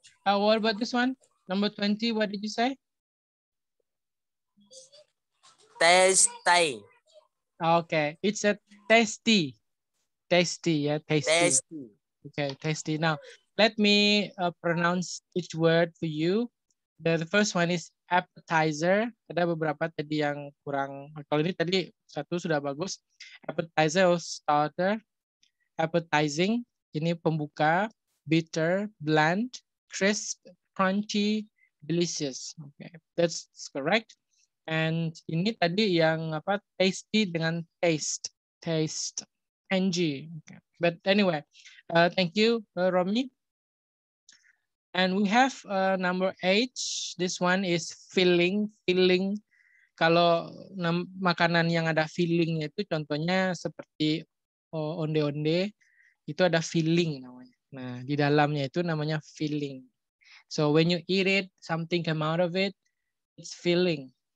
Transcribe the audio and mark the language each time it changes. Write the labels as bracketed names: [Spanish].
[English] What about this one? Number 20, what did you say? Tasty. Okay, it's a tasty. Tasty. Okay, tasty. Now, let me pronounce each word for you. The first one is appetizer. [Indonesian] Ada beberapa tadi yang kurang. Kalau ini tadi satu sudah bagus. [English] Appetizer or starter. Appetizing. [Indonesian] Ini pembuka. [English] Bitter, bland, crisp, crunchy, delicious. Okay, that's correct. And [Indonesian] ini tadi yang apa? [English] Tasty dengan taste. Taste. Tangy. Okay. But anyway, thank you, Romy. And we have number 8. This one is filling. [Indonesian] Kalau makanan yang ada filling itu contohnya seperti onde-onde, itu ada filling namanya. Nah, di dalamnya itu namanya filling. [English] So when you eat it, something come out of it, it's filling.